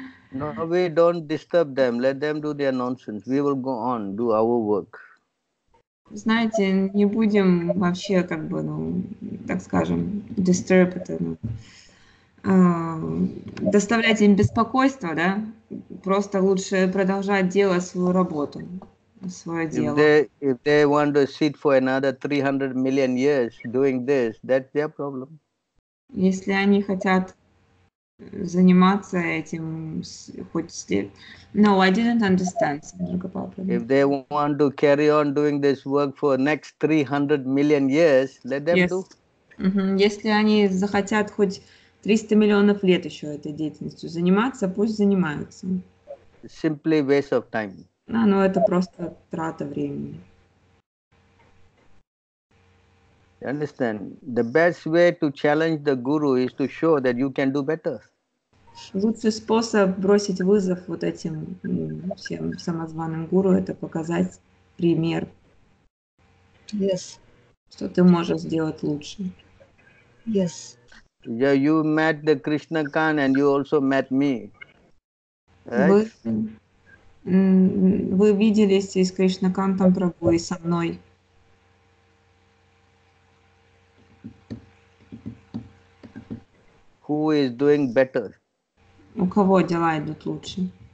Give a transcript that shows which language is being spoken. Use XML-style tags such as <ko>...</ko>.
<en>No, we don't disturb them. Let them do their nonsense. We will go on, do our work.</en> <ru>Знаете, не будем вообще, как бы, ну, так скажем, disturb это, ну, доставлять им беспокойство, да? Просто лучше продолжать делать свою работу, свое дело.</ru> <en>If they want to sit for another 300 million years doing this, that's their problem.</en> <ru>Если они хотят заниматься этим хоть след...</ru> <en>No, I didn't understand. If they want to carry on doing this work for next 300 million years, let them yes. do. Mm-hmm.</en> <ru>Если они захотят хоть 300 миллионов лет еще этой деятельностью заниматься, пусть занимаются.</ru> <en>Simply waste of time.</en> <ru>А, ну это просто трата времени.</ru> <en>You understand? The best way to challenge the guru is to show that you can do better.</en> <ru>Лучший способ бросить вызов вот этим всем самозваным гуру – это показать пример.</ru> <en>Yes.</en> <ru>Что ты можешь сделать лучше.</ru> <en>Yes. Yeah, you met the Krishna Khan and you also met me. Right?</en> <ru>Вы виделись с Кришна Кантом Прабху и со мной.</ru> <en>Who is doing better?</en> <ru>У кого дела идут лучше?</ru>